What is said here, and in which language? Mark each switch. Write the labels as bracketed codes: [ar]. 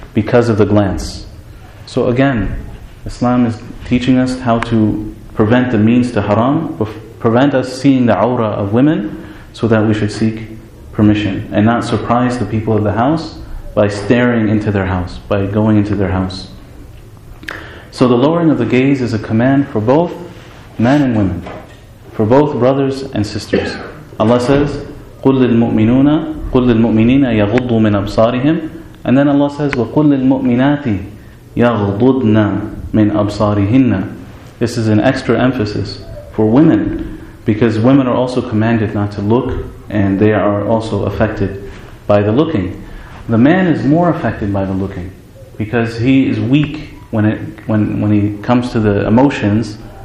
[en] because of the glance. So again, Islam is teaching us how to prevent the means to haram, prevent us seeing the aura of women, so that we should seek permission and not surprise the people of the house by staring into their house, by going into their house. So the lowering of the gaze is a command for both men and women, for both brothers and sisters. Allah says, [ar] قُلْ لِلْمُؤْمِنِينَ يَغُضُّوا مِنْ أَبْصَارِهِمْ. [en] And then Allah says, [ar] وَقُلْ لِلْمُؤْمِنَاتِ يَغْضُضْنَ مِنْ أَبْصَارِهِنَّ. [en] This is an extra emphasis for women, because women are also commanded not to look, and they are also affected by the looking. The man is more affected by the looking, because he is weak when he comes to the emotions.